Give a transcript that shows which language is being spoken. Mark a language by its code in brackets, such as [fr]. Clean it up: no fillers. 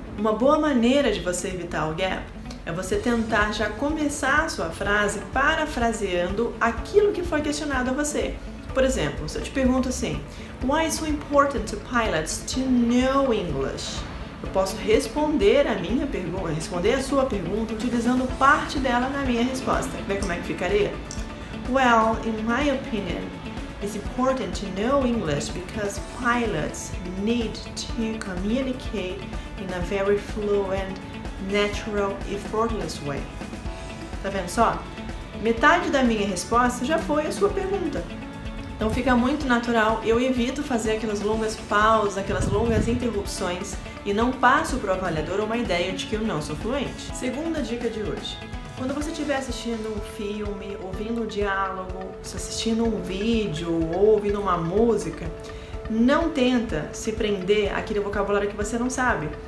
[pt] Uma boa maneira de você evitar o gap é você tentar já começar a sua frase parafraseando aquilo que foi questionado a você. Por exemplo, se eu te pergunto assim, [en] why is it so important to pilots to know English? [pt] Eu posso responder a minha pergunta, responder a sua pergunta utilizando parte dela na minha resposta. Vê como é que ficaria? [en] Well, in my opinion, it's important to know English because pilots need to communicate in a very fluent, natural, effortless way. [pt] Tá vendo só? Metade da minha resposta já foi a sua pergunta. Então fica muito natural, eu evito fazer aquelas longas pausas, aquelas longas interrupções e não passo para o avaliador uma ideia de que eu não sou fluente. Segunda dica de hoje. Quando você estiver assistindo um filme, ouvindo um diálogo, assistindo um vídeo ou ouvindo uma música, não tenta se prender àquele vocabulário que você não sabe.